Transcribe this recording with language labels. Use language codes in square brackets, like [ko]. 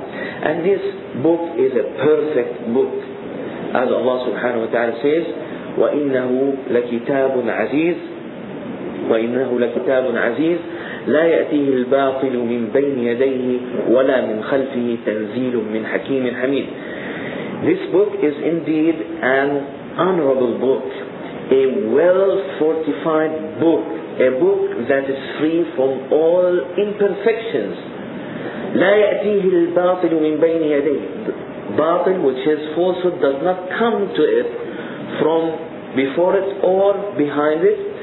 [en] And this book is a perfect book, as Allah subhanahu wa ta'ala says, [ar] وَإِنَّهُ لَكِتَابٌ عَزِيزٌ وَإِنَّهُ لَكِتَابٌ عَزِيزٌ لا يأتيه الباطل من بين يديه ولا من خلفه تنزيل من حكيم حميد. [en] This book is indeed an honorable book, a well-fortified book, a book that is free from all imperfections. [ar] لا يأتيه الباطل من بين يديه. [en] Batil, which is falsehood, does not come to it from before it or behind it.